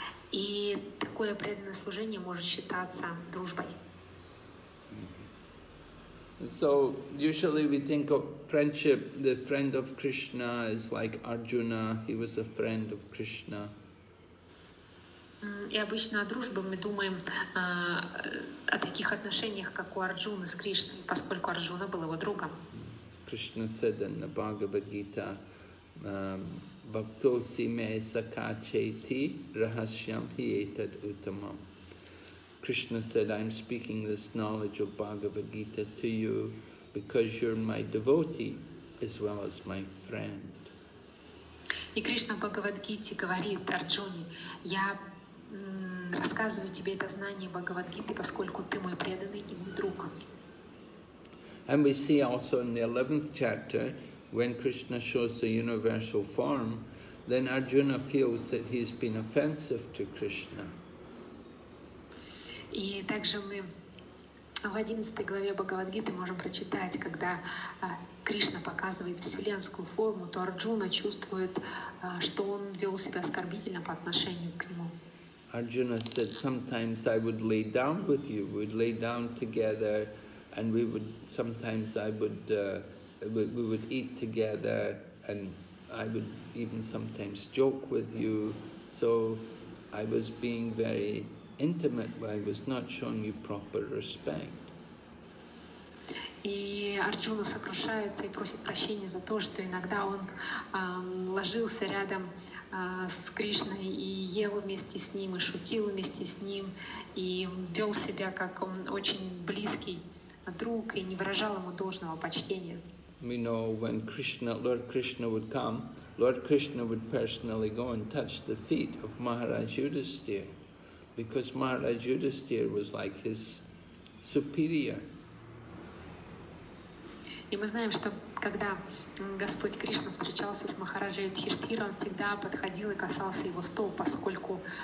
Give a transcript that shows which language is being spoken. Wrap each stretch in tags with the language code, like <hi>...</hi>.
<ru>И такое преданное служение может считаться дружбой.</ru> <en>So usually we think of friendship, the friend of Krishna is like Arjuna, he was a friend of Krishna.</en> <ru>И обычно о дружбе мы думаем о таких отношениях, как у Арджуны с Кришной, поскольку Арджуна был его другом.</ru> <en>Krishna said in the Bhagavad Gita,</en> <sa>Bhaktosi me sakha cheti rahasyam hi etat uttamam.</sa> <en>Krishna said, I'm speaking this knowledge of Bhagavad Gita to you because you're my devotee as well as my friend.</en> <ru>И Кришна в Бхагавад-гите говорит Арджуне, я рассказываю тебе это знание Бхагавад-гиты, поскольку ты мой преданный и мой друг.</ru> <en>And we see also in the 11th chapter, when Krishna shows the universal form, then Arjuna feels that he's been offensive to Krishna.</en> <ru>И также мы в 11 главе Бхагавад-гиты можем прочитать, когда Кришна показывает вселенскую форму, то Арджуна чувствует, что он вел себя оскорбительно по отношению к нему.</ru> <en>Arjuna said, sometimes I would lay down with you, we'd lay down together, and we would, sometimes I would we would eat together, and I would even sometimes joke with you. So I was being very intimate, but I was not showing you proper respect.</en> <ru>И Арджуна сокрушается и просит прощения за то, что иногда он ложился рядом с Кришной и ел вместе с ним, и шутил вместе с ним, и вел себя как он очень близкий друг, и не выражал ему должного почтения.</ru> <en>We know when Lord Krishna would come, Lord Krishna would personally go and touch the feet of Maharaj Yudhisthira, because Maharaj Yudhisthira was like his superior.</en> <ru>И мы знаем, что когда Господь Кришна встречался с Махараджей Юдхиштхирой, он всегда подходил и касался его стоп, поскольку</ru>